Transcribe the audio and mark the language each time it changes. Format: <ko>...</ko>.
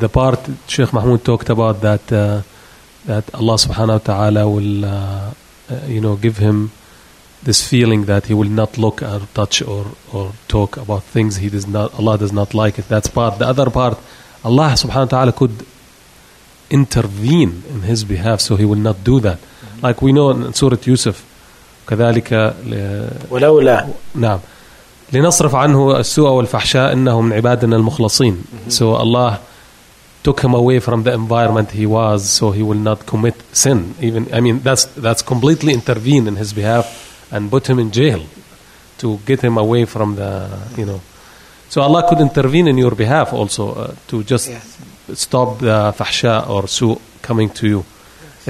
<en>The part Sheikh Mahmoud talked about that Allah subhanahu wa ta'ala will give him this feeling that he will not look or touch or talk about things Allah does not like it. That's part. The other part, Allah subhanahu wa ta'ala could intervene in his behalf, so he will not do that. Mm-hmm.</en> <ar>Like we know in Surah Yusuf, كَذَلِكَ وَلَوْلَا نعم لنصرف عنه السوء والفحشاء إنه من عبادنا المخلصين. Mm-hmm.</ar> <en>So Allah took him away from the environment he was, so he will not commit sin. Even that's completely intervene in his behalf and put him in jail to get him away from the, you know. So Allah could intervene in your behalf also stop the فحشاء or سوء coming to you. Yes.</en>